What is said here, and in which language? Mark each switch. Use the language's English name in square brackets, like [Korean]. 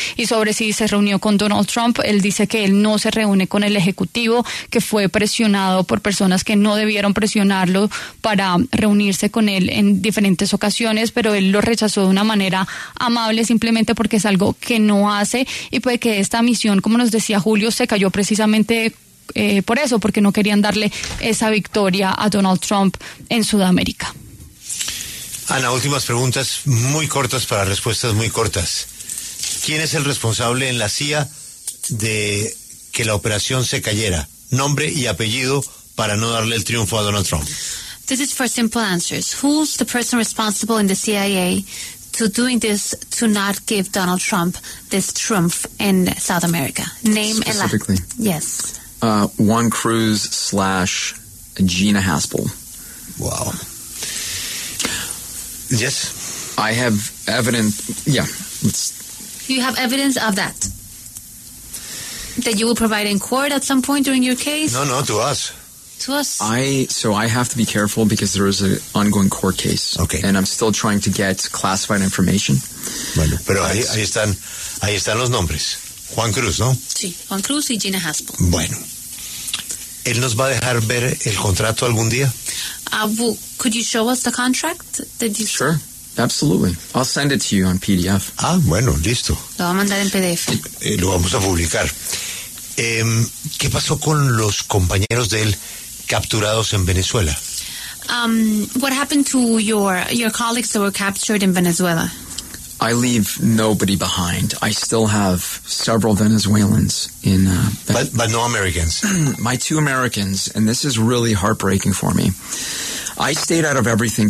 [Spanish] Y sobre si se reunió con Donald Trump, él dice que él no se reúne con el Ejecutivo, que fue presionado por personas que no debieron presionarlo para reunirse con él en diferentes ocasiones, pero él lo rechazó de una manera amable, simplemente porque es algo que no hace, y puede que esta misión, como nos decía Julio, se cayó precisamente por eso, porque no querían darle esa victoria a Donald Trump en Sudamérica. Ana, últimas preguntas muy cortas para respuestas muy cortas. ¿Quién es el responsable en la CIA de que la operación se cayera? Nombre y apellido para no darle el triunfo a Donald Trump. [English] This is for simple answers. Who's the person responsible in the CIA to doing this to not give Donald Trump this triumph in South America? Name and specifically. Yes. Juan Cruz / Gina Haspel. Wow. Yes. I have evidence. Yeah. It's... You have evidence of that? That you will provide in court at some point during your case? No, to us. To us? I have to be careful because there is an ongoing court case. Okay. And I'm still trying to get classified information. [Spanish] Bueno, pero ahí están los nombres. Juan Cruz, ¿no? Sí, Juan Cruz y Gina Haspel. Bueno. ¿Él nos va a dejar ver el contrato algún día? [English] Could you show us the contract? Did you... Sure, absolutely. I'll send it to you on PDF. [Spanish] Ah, bueno, listo. Lo va a mandar en PDF. Lo vamos a publicar. ¿Qué pasó con los compañeros de él capturados en Venezuela? [English] What happened to your colleagues that were captured in Venezuela? I leave nobody behind. I still have several Venezuelans in... But no Americans. My two Americans, and this is really heartbreaking for me. I stayed out of everything.